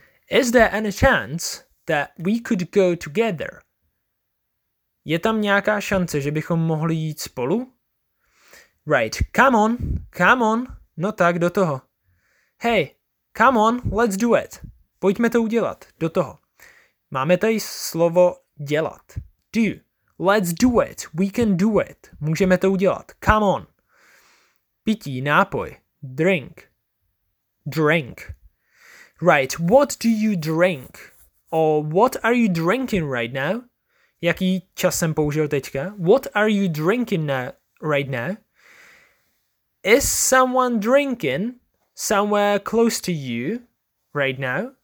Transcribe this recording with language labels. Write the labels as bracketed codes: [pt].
[en] Is there any chance that we could go together? [cs] Je tam nějaká šance, že bychom mohli jít spolu? [en] Right. Come on. Come on. [cs] No tak, do toho. [en] Hey, come on, let's do it. [cs] Pojďme to udělat. Do toho. Máme tady slovo dělat. [en] Do. Let's do it. We can do it. [cs] Můžeme to udělat. [en] Come on. [cs] Pití, nápoj. [en] Drink. Drink. Right. What do you drink? Or what are you drinking right now? [cs] Jaký čas jsem použil teďka? [en] What are you drinking right now? Is someone drinking somewhere close to you right now?